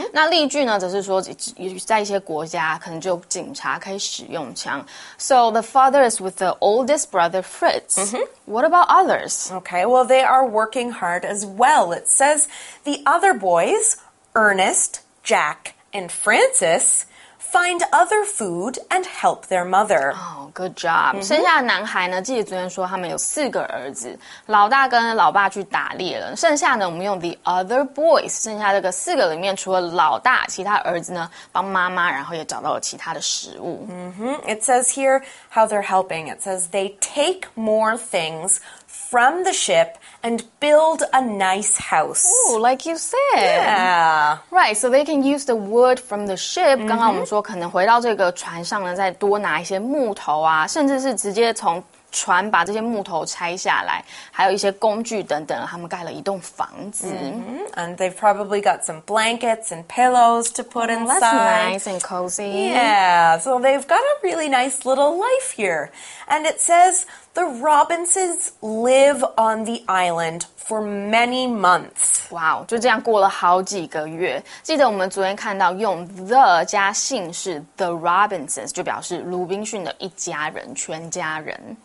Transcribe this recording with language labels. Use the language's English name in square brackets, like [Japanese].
[Chinese] 那例句呢，则是说在一些国家可能就警察可以使用枪。 [English] So the father is with the oldest brother Fritz. What about others? Okay, well they are working hard as well. It says the other boys, Ernest, Jack. And Francis find other food and help their mother. Oh, good job.、Mm-hmm. [Chinese] 剩下的男孩呢，记得昨天说他们有四个儿子，老大跟老爸去打猎了。剩下呢，我们用 the other boys， 剩下这个四个里面，除了老大，其他儿子呢帮妈妈，然后也找到了其他的食物。 [English] Mm-hmm. It says here how they're helping. It says they take more things from the ship. And build a nice house. Oh, like you said. Yeah. Right, so they can use the wood from the ship. Mm-hmm. [Chinese] 刚刚我们说可能回到这个船上呢再多拿一些木头啊甚至是直接从船把这些木头拆下来还有一些工具等等他们盖了一栋房子。 Mm-hmm. [English] And they've probably got some blankets and pillows to put inside. That's nice and cozy. Yeah, so they've got a really nice little life here. And it says... The Robinsons live on the island for many months. Wow, [Chinese] 就这样过了好几个月。记得我们昨天看到用 the 加姓氏 The Robinsons 就表示鲁滨逊的一家人，全家人。